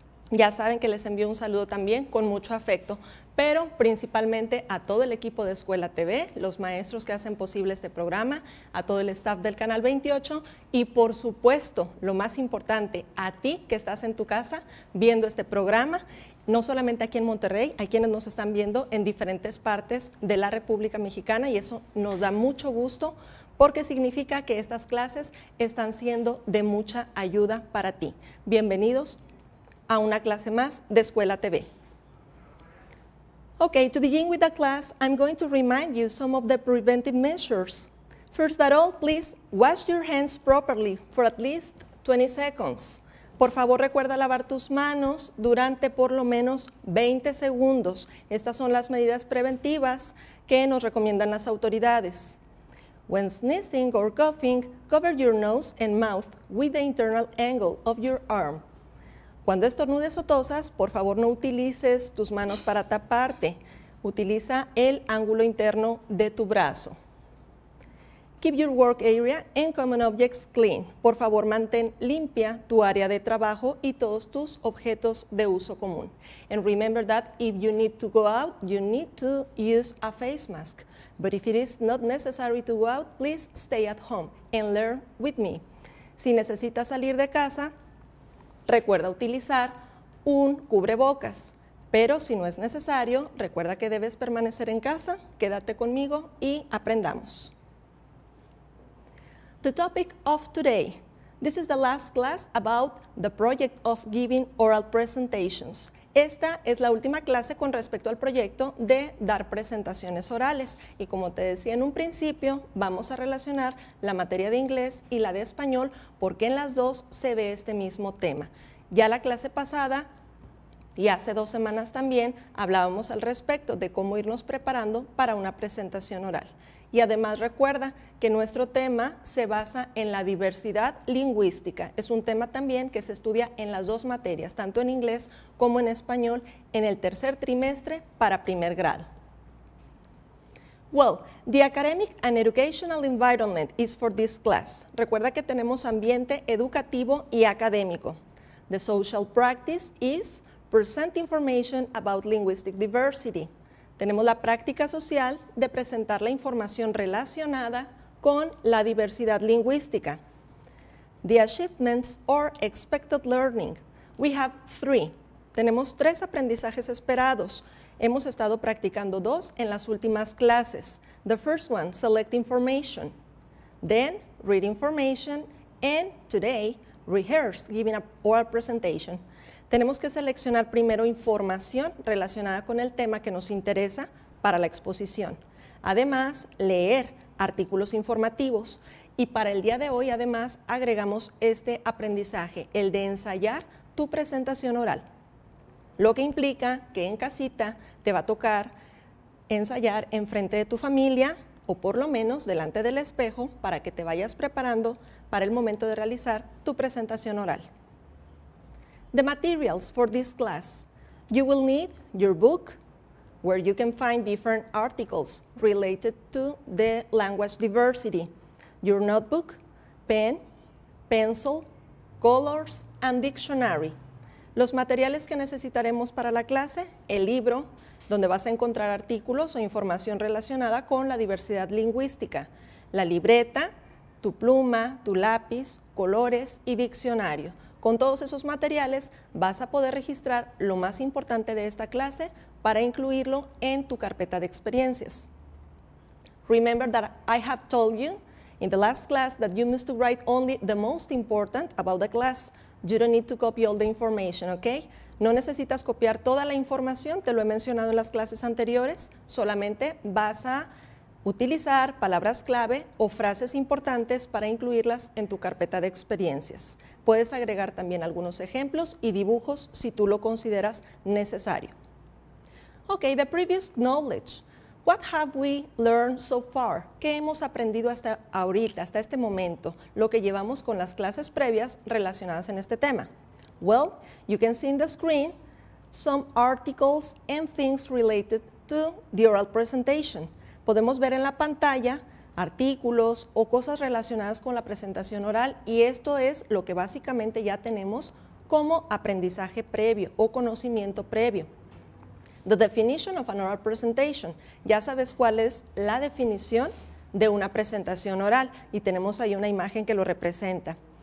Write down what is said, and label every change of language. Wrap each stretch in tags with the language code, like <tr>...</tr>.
<es>Ya saben que les envío un saludo también con mucho afecto, pero principalmente a todo el equipo de Escuela TV, los maestros que hacen posible este programa, a todo el staff del Canal 28 y, por supuesto, lo más importante, a ti que estás en tu casa viendo este programa, no solamente aquí en Monterrey, hay quienes nos están viendo en diferentes partes de la República Mexicana y eso nos da mucho gusto porque significa que estas clases están siendo de mucha ayuda para ti. Bienvenidos a una clase más de Escuela TV.</es> <en>Okay, to begin with the class, I'm going to remind you some of the preventive measures. First of all, please wash your hands properly for at least 20 seconds.</en> <es>Por favor, recuerda lavar tus manos durante por lo menos 20 segundos. Estas son las medidas preventivas que nos recomiendan las autoridades.</es> <en>When sneezing or coughing, cover your nose and mouth with the internal angle of your arm.</en> <es>Cuando estornudes o tosas, por favor no utilices tus manos para taparte. Utiliza el ángulo interno de tu brazo.</es> <en>Keep your work area and common objects clean.</en> <es>Por favor, mantén limpia tu área de trabajo y todos tus objetos de uso común.</es> <en>And remember that if you need to go out, you need to use a face mask. But if it is not necessary to go out, please stay at home and learn with me.</en> <es>Si necesitas salir de casa, recuerda utilizar un cubrebocas, pero si no es necesario, recuerda que debes permanecer en casa, quédate conmigo y aprendamos.</es> <en>The topic of today. This is the last class about the project of giving oral presentations.</en> <es>Esta es la última clase con respecto al proyecto de dar presentaciones orales. Y como te decía en un principio, vamos a relacionar la materia de inglés y la de español porque en las dos se ve este mismo tema. Ya la clase pasada y hace dos semanas también hablábamos al respecto de cómo irnos preparando para una presentación oral. Y además recuerda que nuestro tema se basa en la diversidad lingüística. Es un tema también que se estudia en las dos materias, tanto en inglés como en español, en el tercer trimestre para primer grado.</es> <en>Well, the academic and educational environment is for this class.</en> <es>Recuerda que tenemos ambiente educativo y académico.</es> <en>The social practice is present information about linguistic diversity.</en> <es>Tenemos la práctica social de presentar la información relacionada con la diversidad lingüística.</es> <en>The achievements or expected learning. We have three.</en> <es>Tenemos tres aprendizajes esperados. Hemos estado practicando dos en las últimas clases.</es> <en>The first one, select information. Then, read information. And today, rehearse, giving an oral presentation.</en> <es>Tenemos que seleccionar primero información relacionada con el tema que nos interesa para la exposición. Además, leer artículos informativos. Y para el día de hoy, además, agregamos este aprendizaje, el de ensayar tu presentación oral. Lo que implica que en casita te va a tocar ensayar enfrente de tu familia o por lo menos delante del espejo para que te vayas preparando para el momento de realizar tu presentación oral.</es> <en>The materials for this class. You will need your book, where you can find different articles related to the language diversity. Your notebook, pen, pencil, colors, and dictionary.</en> <es>Los materiales que necesitaremos para la clase, el libro, donde vas a encontrar artículos o información relacionada con la diversidad lingüística, la libreta, tu pluma, tu lápiz, colores y diccionario. Con todos esos materiales vas a poder registrar lo más importante de esta clase para incluirlo en tu carpeta de experiencias.</es> <en>Remember that I have told you in the last class that you must write only the most important about the class. You don't need to copy all the information, okay?</en> <es>No necesitas copiar toda la información, te lo he mencionado en las clases anteriores. Solamente vas a utilizar palabras clave o frases importantes para incluirlas en tu carpeta de experiencias. Puedes agregar también algunos ejemplos y dibujos si tú lo consideras necesario.</es> <en>Okay, the previous knowledge. What have we learned so far?</en> <es>¿Qué hemos aprendido hasta ahorita, hasta este momento? Lo que llevamos con las clases previas relacionadas en este tema.</es> <en>Well, you can see in the screen some articles and things related to the oral presentation.</en> <es>Podemos ver en la pantalla artículos o cosas relacionadas con la presentación oral y esto es lo que básicamente ya tenemos como aprendizaje previo o conocimiento previo.</es> <en>The definition of an oral presentation.</en> <es>Ya sabes cuál es la definición de una presentación oral y tenemos ahí una imagen que lo representa.</es>